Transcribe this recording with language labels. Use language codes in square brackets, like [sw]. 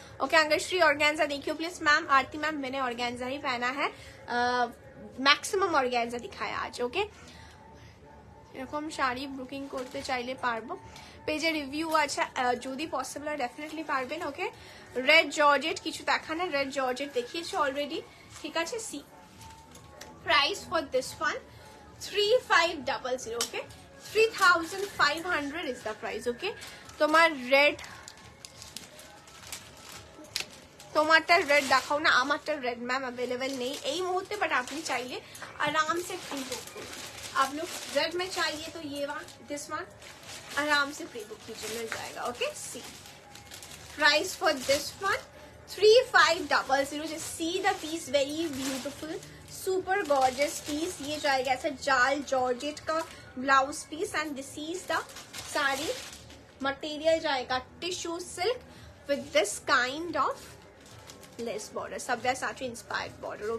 [hi] Okay, अंगश्री organza देखियो please ma'am, Aarti ma'am मैंने organza ही पहना है, मैक्सिमम ऑर्गेन्जा दिखाया आज। [bn] ओके, এরকম শাড়ি বুকিং করতে চাইলে পারবো, পেজে রিভিউ আছে, যদি পসিবল হয় ডেফিনেটলি পারবেন। ওকে, রেড জর্জেট কিছু দেখা না, রেড জর্জেট দেখিয়েছি অলরেডি, ঠিক আছে। [en] See price for this one 3500, okay, 3500 is the price. [bn] ওকে, তোমার রেড, তোমারটা রেড দেখাও না, আমারটা রেড ম্যাম অ্যাভেলেবেল নেই এই মুহূর্তে, বাট আপনি চাইলে আরামসে ফ্রি বুক করুন, [hi] आप लोग रेड में चाहिए तो ये वन दिस वन आराम से प्री बुक कीजिए, मिल जाएगा। [en] Okay, C price for this one 3500, just see the piece, very beautiful, super gorgeous piece, ये जाएगा ऐसा जाल georgette का blouse piece, and this is the sari, material जाएगा tissue silk with this kind of less border, सभ्या साठी inspired border.